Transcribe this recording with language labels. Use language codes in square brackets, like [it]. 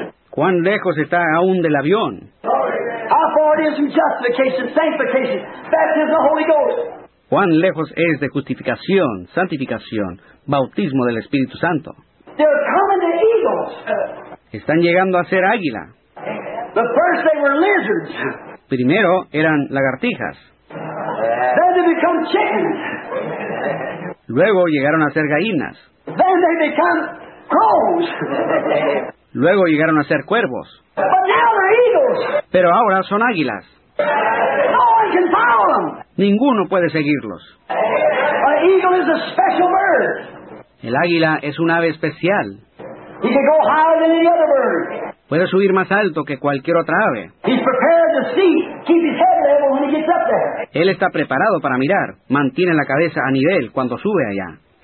[es] ¿Cuán lejos está aún del avión? [en] How far it is from justification, sanctification, baptism of the Holy Ghost? [es] ¿Cuán lejos es de justificación, santificación, bautismo del Espíritu Santo? [en] They're coming to eagles. [es] Están llegando a ser águila. [en] The first they were lizards. [es] Primero eran lagartijas. [en] Then they become chickens. [es] Luego llegaron a ser gallinas. [en] Then they become crows. [es] Luego llegaron a ser cuervos. [en] But now they're eagles. [es] Pero ahora son águilas. [en] No one can follow them. [es] Ninguno puede seguirlos. [en] An eagle is a special bird. [es] El águila es un ave especial. [en] He can go higher than any other bird. [es] Puede subir más alto que cualquier otra ave. [en] He's prepared to see, keep his head level when he gets up there. [es] Él está preparado para mirar. Mantiene la cabeza a nivel cuando sube allá.